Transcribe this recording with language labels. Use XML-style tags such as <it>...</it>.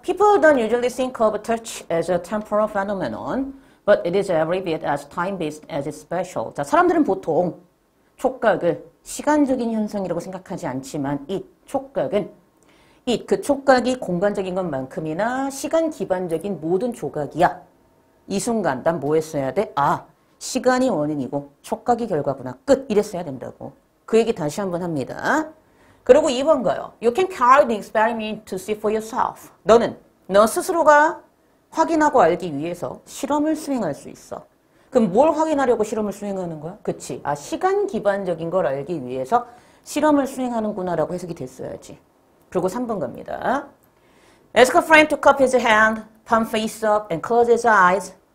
<en>People don't usually think of touch as a temporal phenomenon, but it is every bit as time-based as it's special.</en> <ko>자, 사람들은 보통 촉각을 시간적인 현상이라고 생각하지 않지만 이 촉각은 이그 촉각이 공간적인 것만큼이나 시간 기반적인 모든 조각이야. 이 순간 난뭐 했어야 돼? 아, 시간이 원인이고 촉각이 결과구나. 끝. 이랬어야 된다고. 그 얘기 다시 한번 합니다. 그리고 2번 거요.</ko> <en>You can carry the experiment to see for yourself.</en> <ko>너는 너 스스로가 확인하고 알기 위해서 실험을 수행할 수 있어. 그럼 뭘 확인하려고 실험을 수행하는 거야? 그치. 아, 시간 기반적인 걸 알기 위해서 실험을 수행하는구나라고 해석이 됐어야지. 그리고 3번 겁니다.</ko> <en>Ask a friend to cup his hand, palm face up, and close his eyes.</en>